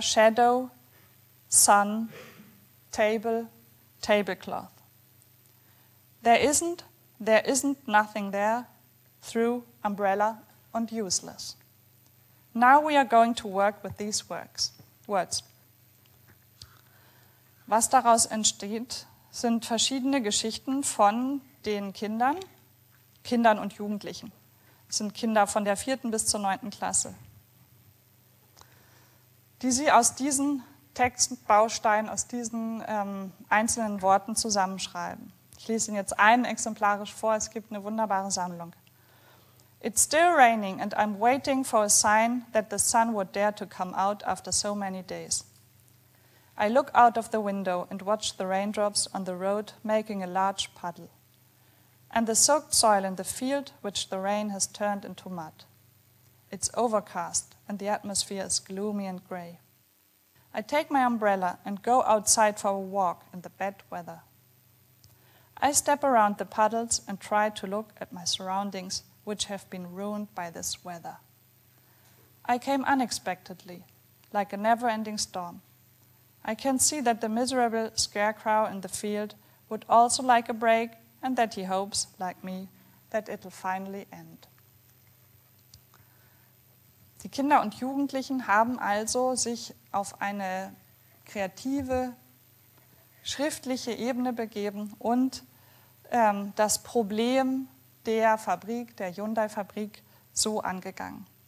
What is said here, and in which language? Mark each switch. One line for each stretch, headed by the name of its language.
English: Shadow, sun, table, tablecloth. There isn't nothing there, through, umbrella, and useless. Now we are going to work with these words.
German: Was daraus entsteht, sind verschiedene Geschichten von den Kindern und Jugendlichen. Das sind Kinder von der 4. bis zur 9. Klasse, die sie aus diesen Textbausteinen, aus diesen einzelnen Worten zusammenschreiben. Ich lese Ihnen jetzt einen exemplarisch vor, es gibt eine wunderbare Sammlung.
English: It's still raining and I'm waiting for a sign that the sun would dare to come out after so many days. I look out of the window and watch the raindrops on the road making a large puddle. And the soaked soil in the field which the rain has turned into mud. It's overcast and the atmosphere is gloomy and gray. I take my umbrella and go outside for a walk in the bad weather. I step around the puddles and try to look at my surroundings which have been ruined by this weather. I came unexpectedly, like a never-ending storm. I can see that the miserable scarecrow in the field would also like a break and that he hopes, like me, that it'll finally end.
German: Die Kinder und Jugendlichen haben also sich auf eine kreative, schriftliche Ebene begeben und das Problem der Hyundai-Fabrik, so angegangen.